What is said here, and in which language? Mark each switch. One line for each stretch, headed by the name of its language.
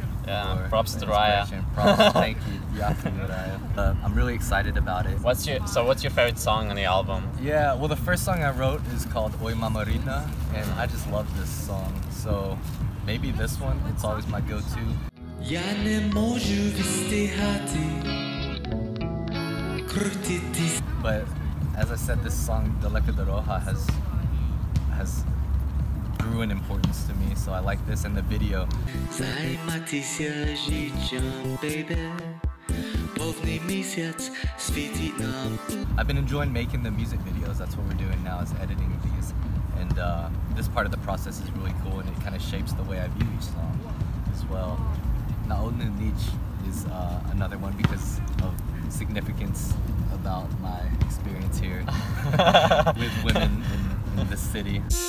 English: Yeah, props to Raya. Thank you, Yaku Raya. I'm really excited about it. What's your favorite song on the album? Yeah, well, the first song I wrote is called Oi Mamarina, and I just love this song. So maybe this one, it's always my go-to.
Ukrainian: Я не можу вистигати крутитись.
English: But as I said, this song, Далека Дорога, has grew in importance to me, so I like this in the video.
Ukrainian: Займатися життям, baby. Повний місяць світить нам.
English: I've been enjoying making the music videos. That's what we're doing now, is editing these. And this part of the process is really cool, and it kind of shapes the way I view each song as well. Наодну ніч is another one because of significance about my experience here with women in this city.